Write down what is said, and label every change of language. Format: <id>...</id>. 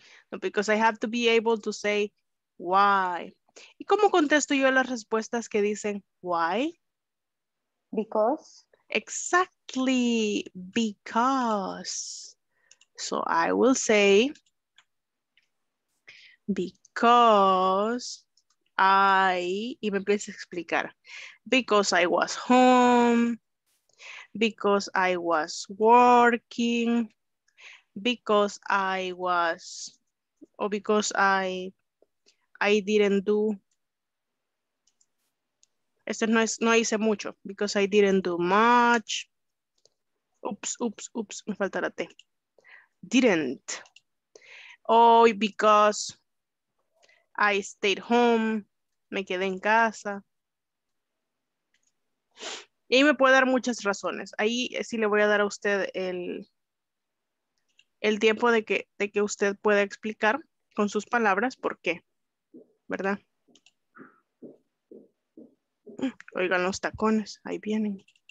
<en>No, because I have to be able to say why.</en> <es>¿Y cómo contesto yo las respuestas que dicen why?</es> <en>Because. Exactly, because. So I will say, because I,</en> <es>y me empiezo a explicar,</es> <en>because I was home, because I was working, because I was, or because I didn't do,</en> <es>este no es, no hice mucho,</es> <en>because I didn't do much,</en> <es>oops, me falta la T, didn't,</es> <en>or because I stayed home,</en> <es>me quedé en casa. Y ahí me puede dar muchas razones. Ahí sí le voy a dar a usted el tiempo de que usted pueda explicar con sus palabras por qué. ¿Verdad? Oigan los tacones. Ahí vienen.</es>